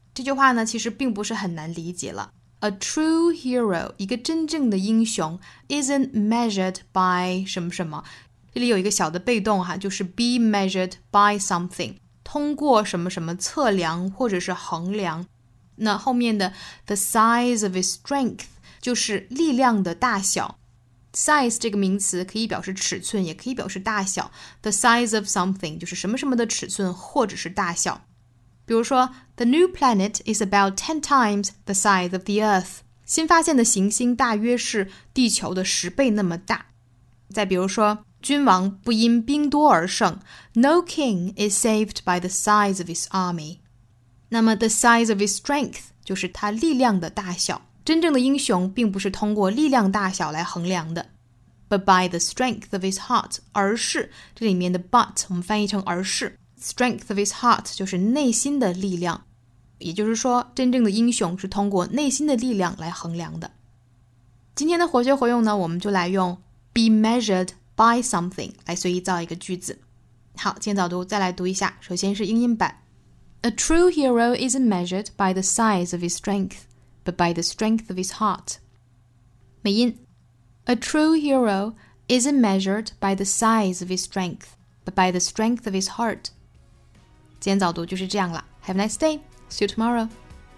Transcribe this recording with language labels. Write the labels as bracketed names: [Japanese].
[Chinese] 这句话呢，其实并不是很难理解了。 [English] A true hero, [Chinese] 一个真正的英雄 [English] isn't measured by [Chinese] 什么什么。这里有一个小的被动哈，就是 [English] be measured by something, [Chinese] 通过什么什么测量或者是衡量。那后面的 [English] the size of his strength, [Chinese] 就是力量的大小。 Size 这个名词可以表示尺寸，也可以表示大小。 [English] The size of something [Chinese] 就是什么什么的尺寸或者是大小。比如说 [English] The new planet is about 10 times the size of the Earth. [Chinese] 新发现的行星大约是地球的十倍那么大。再比如说君王不因兵多而胜。 [English] No king is saved by the size of his army. [Chinese] 那么 [English] the size of his strength [Chinese] 就是他力量的大小。真正的英雄并不是通过力量大小来衡量的 [English] but by the strength of his heart, [Chinese] 而是这里面的 but 我们翻译成而是 [English] strength of his heart [Chinese] 就是内心的力量，也就是说真正的英雄是通过内心的力量来衡量的。今天的活学活用呢，我们就来用 [English] be measured by something [Chinese] 来随意造一个句子。好，今天早读再来读一下，首先是英音版。 [English] A true hero isn't measured by the size of his strengthBut by the strength of his heart. [Chinese] 美音。 [English] A true hero isn't measured by the size of his strength, but by the strength of his heart. [Chinese] 今天早读就是这样了。 [English] Have a nice day. See you tomorrow.